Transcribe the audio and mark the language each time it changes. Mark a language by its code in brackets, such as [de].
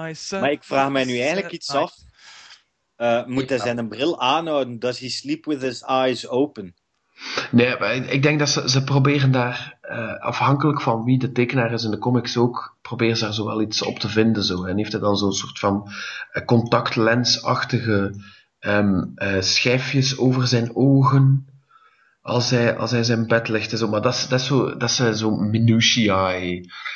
[nl] Maar ik vraag mij nu eigenlijk iets af. Moet hij zijn bril aanhouden? [en] Does he sleep with his eyes open? [nl] Nee, maar ik denk dat ze proberen daar, afhankelijk van wie de tekenaar is in de comics ook, proberen ze daar zo wel iets op te vinden. Zo. En heeft hij dan zo'n soort van contactlensachtige schijfjes over zijn ogen? Als hij zijn bed ligt en zo. Maar dat is zo minutiae.